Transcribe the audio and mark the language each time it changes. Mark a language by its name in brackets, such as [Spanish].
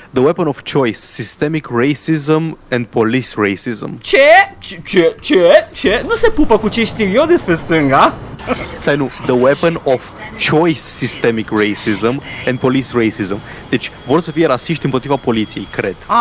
[English] The weapon of choice, systemic racism and police racism. [Romanian] Ce? Nu se pupă cu ce știu eu despre stânga. Stai, nu, [English] the weapon of choice, systemic racism and police racism. [Romanian] Deci vor să fie rasiști împotriva poliției, cred.